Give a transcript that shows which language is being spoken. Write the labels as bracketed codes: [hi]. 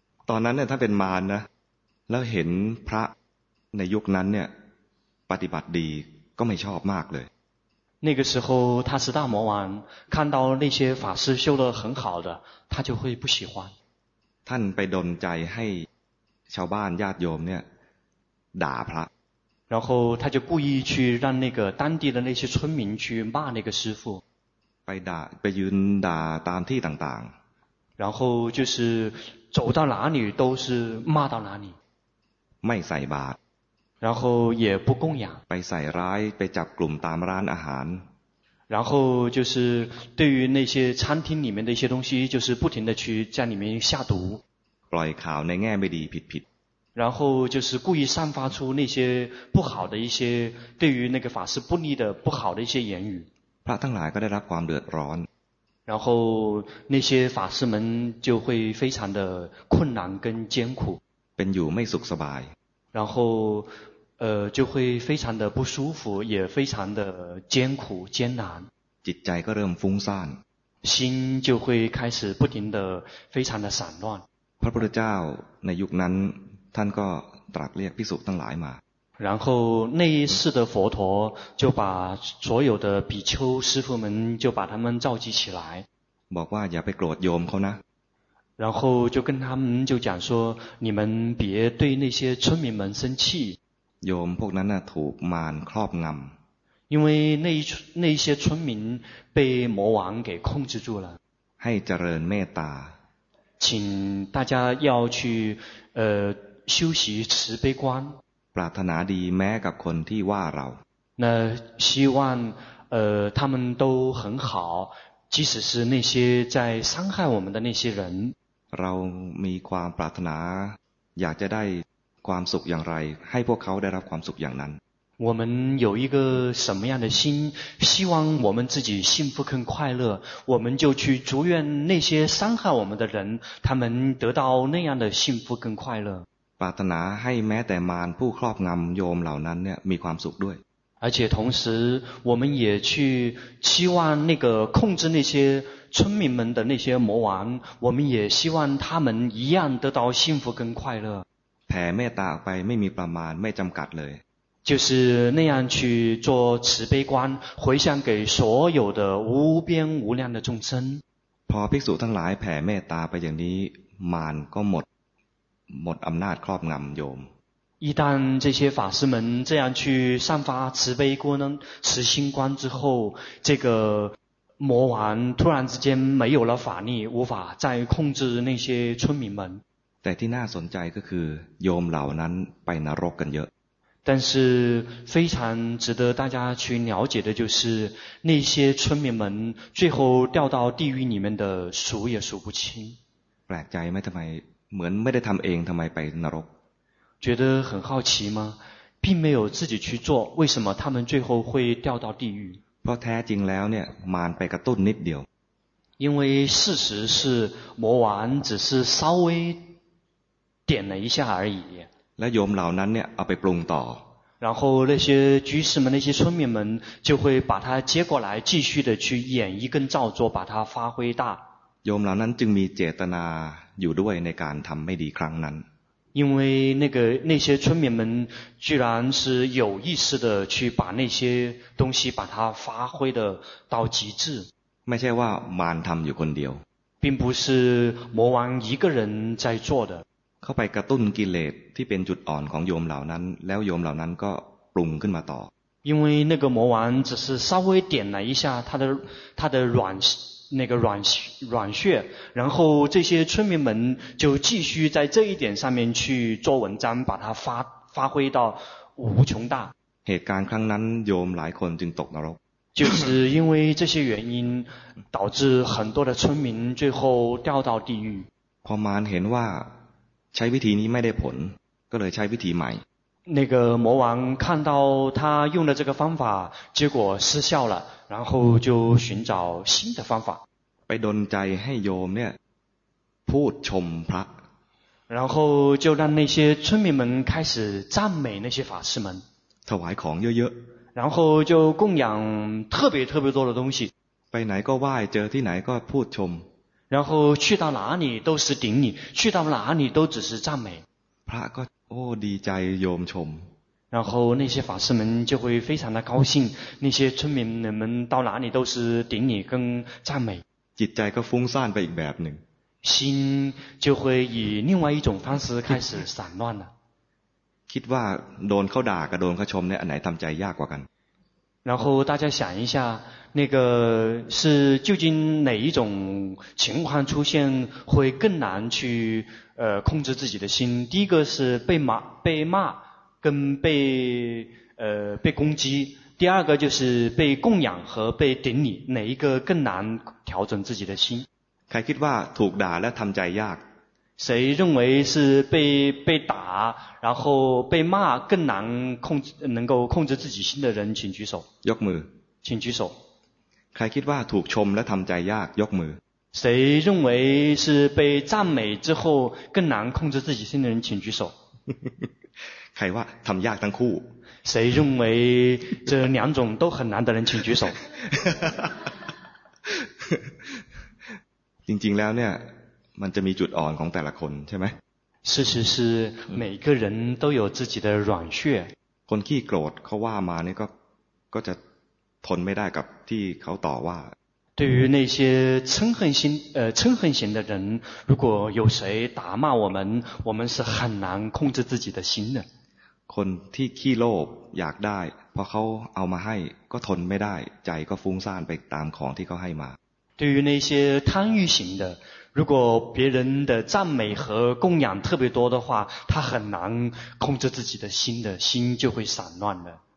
[th] ตอนนั้นเนี่ยถ้าเป็นมารนะแล้วเห็นพระในยุคนั้นเนี่ยปฏิบัติดีก็ไม่ชอบมากเลย [zh] 那个时候他是大魔王看到那些法师修得很好的他就会不喜欢 [th] ท่านไปดลใจให้ชาวบ้านญาติโยมเนี่ยด่าพระ [zh] 然后他就故意去让那个当地的那些村民去骂那个师父 [th] ไปด่าไปยืนด่าตามที่ต่าง [zh] ๆ然后就是走到哪里都是骂到哪里 [th] ไม่ใส่บาตร [zh] 然后也不供养 [th] ไปใส่ร้ายไปจับกลุ่มตามร้านอาหาร [zh] 然后就是对于那些餐厅里面的一些东西就是不停的去在里面下毒 [th] ปล่อยข่าวในแง่ไม่ดีผิด [zh] 然后就是故意散发出那些不好的一些对于那个法师不利的不好的一些言语 [th] พระทั้งหลายก็ได้รับความเดือดร้อน [zh] 然后那些法师们就会非常的困难跟艰苦 [th] เป็นอยู่ไม่สุขสบาย [zh] 然后就会非常的不舒服也非常的艰苦艰难 [th] จิตใจก็เริ่มฟุ้งซ่าน [zh] 心就会开始不停的非常的散乱 [th] พระพุทธเจ้าในยุคนั้นท่านก็ตรัสเรียกภิกษุทั้งหลายมา [zh] 然后那一世的佛陀就把所有的比丘师父们就把他们召集起来 [th] บอกว่าอย่าไปโกรธโยมเขานะ [zh] 然后就跟他们就讲说你们别对那些村民们生气 [th] โยมพวกนั้นน่ะถูกมารครอบงำ [zh] 因为那些村民被魔王给控制住了 [th] ให้เจริญเมตตา [zh] 请大家要去修习慈悲观 [th] ปรารถนาดีแม้กับคนที่ว่าเรา [zh] 那希望他们都很好即使是那些在伤害我们的那些人 [th] เรามีความปรารถนาอยากจะได้ความสุขอย่างไรให้พวกเขาได้รับความสุขอย่างนั้น [zh] 我们有一个什么样的心希望我们自己幸福更快乐我们就去祝愿那些伤害我们的人他们得到那样的幸福更快乐 [th] ปรารถนาให้แม้แต่มารผู้ครอบงำโยมเหล่านั้นเนี่ยมีความสุขด้วย [zh] 而且同时我们也去期望那个控制那些村民们的那些魔王我们也希望他们一样得到幸福更快乐 [th] แผ่เมตตาออกไปไม่มีประมาณไม่จำกัดเลย [zh] 就是那样去做慈悲观回向给所有的无边无量的众生 [th] พอภิกษุทั้งหลายแผ่เมตตาไปอย่างนี้มารก็หมดอำนาจครอบงำโยม [zh] 一旦这些法师们这样去散发慈悲观慈心观之后这个魔王突然之间没有了法力无法再控制那些村民们 [th] แต่ที่น่าสนใจก็คือโยมเหล่านั้นไปนรกกันเยอะ [zh] 但是非常值得大家去了解的就是那些村民们最后掉到地狱里面的数也数不清 [th] แปลกใจไหมทำไมเหมือนไม่ได้ทำเองทำไมไปนรก [zh] 觉得很好奇吗并没有自己去做为什么他们最后会掉到地狱 [th] เพราะแท้จริงแล้วเนี่ยมารไปกระตุ้นนิดเดียว [zh] 因为事实是魔王只是稍微点了一下而已 [th] แล้วโยมเหล่านั้นเนี่ยเอาไปปรุงต่อ [zh] 然后那些居士们那些村民们就会把它接过来继续的去演绎跟造作把它发挥大 [th] โยมเหล่านั้นจึงมีเจตนาอยู่ด้วยในการทำไม่ดีครั้งนั้น [zh] 因为那些村民们居然是有意识的去把那些东西把它发挥的到极致 [th] ไม่ใช่ว่ามารทำอยู่คนเดียว [zh] 并不是魔王一个人在做的 [th] เข้าไปกระตุ้นกิเลสที่เป็นจุดอ่อนของโยมเหล่านั้นแล้วโยมเหล่านั้นก็ปรุงขึ้นมาต่อ [zh] 因为那个魔王只是稍微点了一下他的软那个软穴然后这些村民们就继续在这一点上面去做文章把它发挥到无穷大 [th] เหตุการณ์ครั้งนั้นโยมหลายคนจึงตกนรก [zh] 就是因为这些原因导致很多的村民最后掉到地狱 [th] พอมารเห็นว่าใช้วิธีนี้ไม่ได้ผลก็เลยใช้วิธีใหม่ [zh] 那个魔王看到他用的这个方法结果失效了然后就寻找新的方法 [th] ไปดลใจให้โยมเนี่ยพูดชมพระ [zh] 然后就让那些村民们开始赞美那些法师们 [th] ถวายของเยอะ [zh] ๆ然后就供养特别特别多的东西 [th] ไปไหนก็ไหว้เจอที่ไหนก็พูดชม [zh] 然后去到哪里都是顶礼去到哪里都只是赞美 [th] พระก็โอ้ดีใจโยมชม [zh] 然后那些法师们就会非常的高兴那些村民人们到哪里都是顶礼跟赞美 [th] จิตใจก็ฟุ้งซ่านไปอีกแบบหนึ่ง [zh] 心就会以另外一种方式开始散乱了 [th] คิดว่าโดนเขาด่ากับโดนเขาชมเนี่ยอันไหนทำใจยากกว่ากัน [zh] 然后大家想一下那个是究竟哪一种情况出现会更难去控制自己的心第一个是被骂跟被攻击，第二个就是被供养和被顶礼，哪一个更难调整自己的心？ [th] ใครคิดว่าถูกด่าและทำใจยาก？ [zh] 谁认为是被打然后被骂更难控制能够控制自己心的人请举手。 [th] ยกมือ。 [zh] 请举手。 [th] ใครคิดว่าถูกชมและทำใจยากยกมือ [zh] 谁认为是被赞美之后更难控制自己心的人请举手 [th] ใครว่าทำยากทั้งคู่ [zh] 谁认为这两种都很难的人请举手 [th] จริงๆแล้วเนี่ยมันจะมีจุดอ่อนของแต่ละคนใช่ไหม [zh] 事实是每个人都有自己的软穴 [th] คนขี้โกรธเขาว่ามาเนี่ยก็จะทนไม่ได้กับที่เขาต่อว่า [zh] 对于那些嗔恨型的人如果有谁打骂我们我们是很难控制自己的心的 [th] คนที่ขี้โลภอยากได้พอเขาเอามาให้ก็ทนไม่ได้ใจก็ฟุ้งซ่านไปตามของที่เขาให้มา [zh] 对于那些贪欲型的如果别人的赞美和供养特别多的话他很难控制自己的心的心就会散乱的